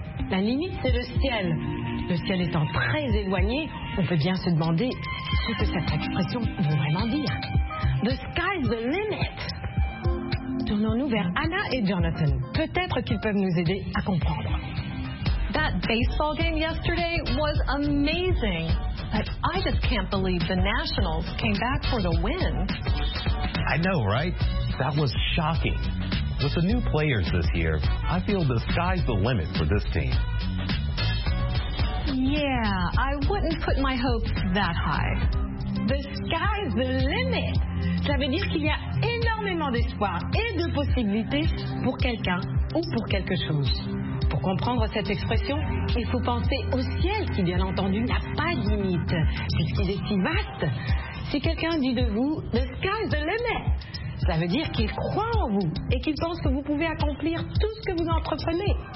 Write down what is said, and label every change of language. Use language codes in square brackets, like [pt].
[fr] La limite, c'est le ciel. Le ciel étant très éloigné, on peut bien se demander ce que cette expression veut vraiment dire. [en] The sky's the limit. [fr] Tournons-nous vers Anna et Jonathan. Peut-être qu'ils peuvent nous aider à comprendre. [en] That baseball game yesterday was amazing. But I just can't believe the Nationals came back for the win. I know, right? That was shocking. With the new players this year, I feel the sky's the limit for this team. Yeah, I wouldn't put my hopes that high. The sky's the limit. [fr] Ça veut dire qu'il y a énormément d'espoir et de possibilités pour quelqu'un ou pour quelque chose. Pour comprendre cette expression, il faut penser au ciel qui, bien entendu, n'a pas de limite, puisqu'il est si vaste. Si quelqu'un dit de vous, [en] the sky's the limit, [fr] ça veut dire qu'il croit en vous et qu'il pense que vous pouvez accomplir tout ce que vous entreprenez.